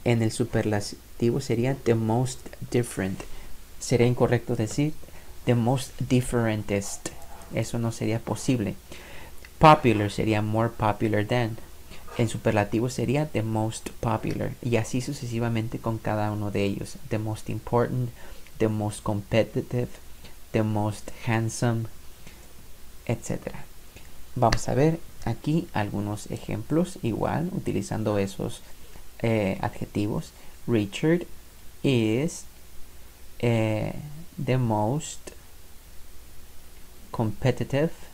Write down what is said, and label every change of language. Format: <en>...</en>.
<es>En el superlativo sería</es> <en>the most different.</en> <es>Sería incorrecto decir</es> <en>the most differentest.</en> <es>Eso no sería posible. Popular sería</es> <en>more popular than.</en> <es>En superlativo sería</es> <en>the most popular.</en> <es>Y así sucesivamente con cada uno de ellos.</es> <en>The most important, the most competitive, the most handsome, etc.</en> <es>Vamos a ver aquí algunos ejemplos, igual utilizando esos adjetivos.</es> <en>Richard is the most competitive.</en>